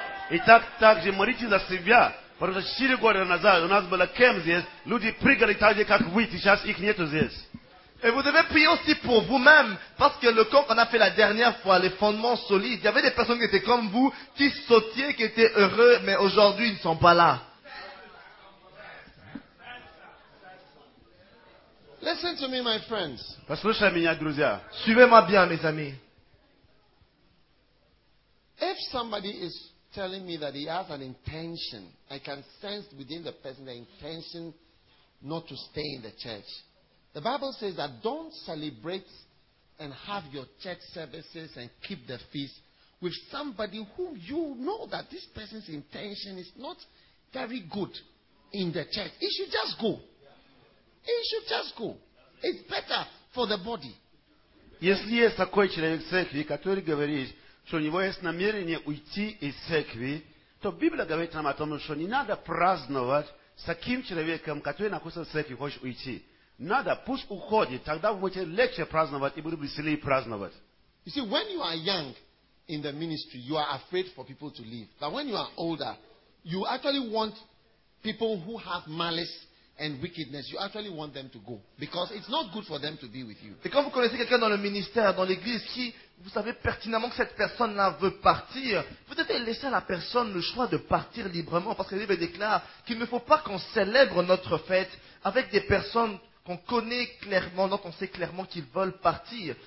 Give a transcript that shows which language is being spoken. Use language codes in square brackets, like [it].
[ru] Итак, за себя, потому что 4 года назад у нас было кем здесь, люди прыгали так же, как вы, сейчас их нету здесь. [fr] Et vous devez prier aussi pour vous-même, parce que le camp qu'on a fait la dernière fois, les fondements solides, il y avait des personnes qui étaient comme vous, qui sautaient, qui étaient heureux, mais aujourd'hui ils ne sont pas là. [en] Listen to me, my friends. [ru] Послушай меня, друзья. [fr] Suivez-moi bien, mes amis. [en] If somebody is telling me that he has an intention, I can sense within the person the intention not to stay in the church. The Bible says that don't celebrate and have your church services and keep the feast with somebody who you know that this person's intention is not very good in the church. He should just go. He should just go. It's better for the body. [ru] Если есть такой человек в церкви, который говорит, что у него есть намерение уйти из церкви, то Библия говорит нам о том, что не надо праздновать с таким человеком, который находится в церкви, хочет уйти. Надо, пусть уходит, тогда вы будете легче праздновать и будете веселее праздновать. [en] You see, when you are young in the ministry, you are afraid for people to leave. But when you are older, you actually want people who have malice and wickedness, you actually want them to go. Because it's not good for them to be with you. [fr] Et quand vous connaissez quelqu'un dans le ministère, dans l'église, qui vous savez pertinemment que cette personne-là veut partir, vous devez laisser à la personne le choix de partir librement. Parce que la Bible déclare qu'il ne faut pas qu'on célèbre notre fête avec des personnes qu'on connaît clairement, dont on sait clairement qu'ils veulent partir.